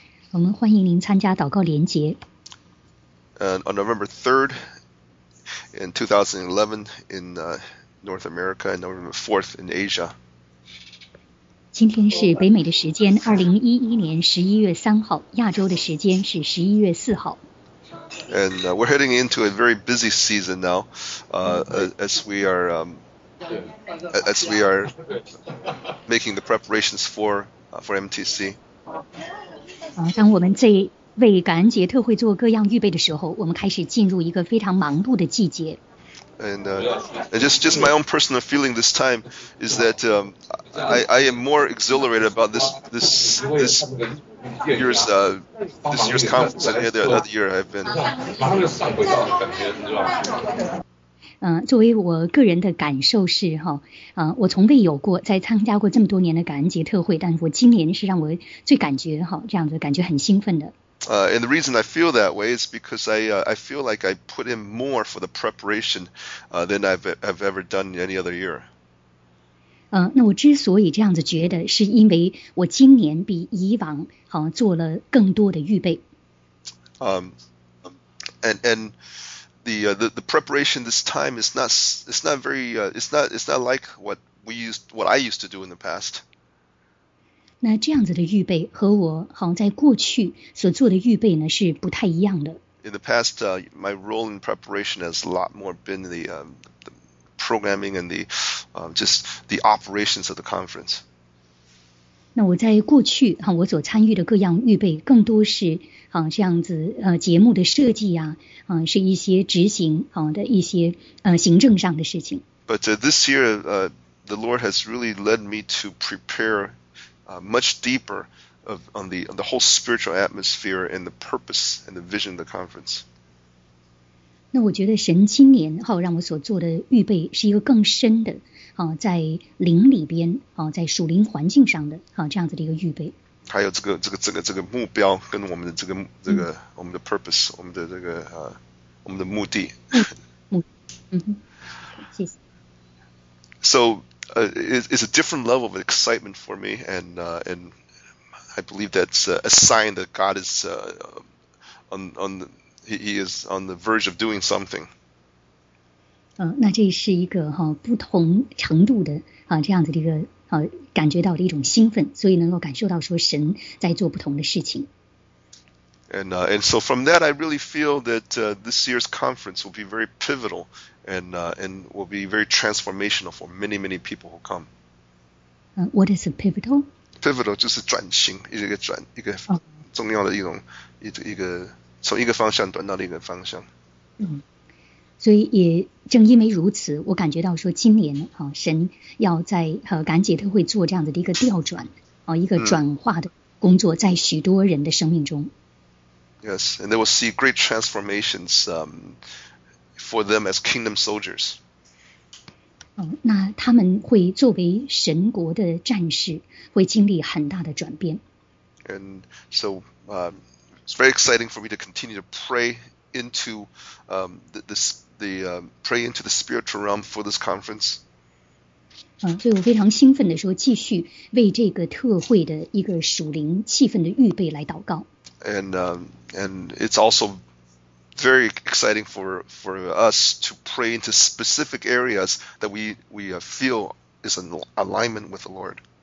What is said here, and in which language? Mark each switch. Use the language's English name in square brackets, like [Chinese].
[Chinese] 我们欢迎您参加祷告连结。 [English] And on November 3rd in 2011 in North America, and November 4th in Asia. [Chinese] 今天是北美的时间，2011年11月3号，亚洲的时间是11月4号。 [English] And we're heading into a very busy season now, as we are. As we are making the preparations for MTC. [Chinese] 当我们在为感恩节特会做各样预备的时候，我们开始进入一个非常忙碌的季节。 [English] And just my own personal feeling this time is that I am more exhilarated about this year's conference than any other year I've been. [Chinese] 作为我个人的感受是哈，我从未有过在参加过这么多年的感恩节特会，但我今年是让我最感觉哈这样子感觉很兴奋的。 [English] And the reason I feel that way is because I feel like I put in more for the preparation than I've ever done any other year. [Chinese] 那我之所以这样子觉得，是因为我今年比以往好做了更多的预备。 [English] The preparation this time is not like what I used to do in the past. [Chinese] 那这样子的预备和我好在过去所做的预备呢是不太一样的。 [English] In the past, my role in preparation has a lot more been the programming and just the operations of the conference. [Chinese] 那我在过去哈，我所参与的各样预备更多是。好，这样子，节目的设计啊，是一些执行，好的一些，行政上的事情。 [English] But this year, the Lord has really led me to prepare, much deeper of on the whole spiritual atmosphere and the purpose and the vision of the conference. [Chinese] 那我觉得神今年好让我所做的预备是一个更深的，好在灵里边，好在属灵环境上的，好这样子的一个预备。还有这个目标跟我们的这个我们的 purpose 我们的这个我们的目的。谢谢。 [English] So it's a different level of excitement for me, and I believe that's a sign that God is on the verge of doing something. [Chinese] 那这是一个哈不同程度的啊这样子的一个。感觉到了一种兴奋，所以能够感受到说神在做不同的事情。 [English] And so from that, I really feel that this year's conference will be very pivotal and will be very transformational for many, many people who come. What is a pivotal? [Chinese] Pivotal 就是转型，一个重要的一个从一个方向转到另一个方向。所以也正因为如此，我感觉到说今年哈、神要在和感恩节特会做这样子的一个调转，一个转化的工作在许多人的生命中。 [English] Yes, and they will see great transformations for them as kingdom soldiers. [Chinese] 那他们会作为神国的战士，会经历很大的转变。 [English] And so it's very exciting for me to continue to pray. Into pray into the spiritual realm for this conference. [Chinese] 所以我非常兴奋的说，继续为这个特会的一个属灵气氛的预备来祷告。 [English] And it's also very exciting for us to pray into specific areas that we feel is in alignment with the Lord.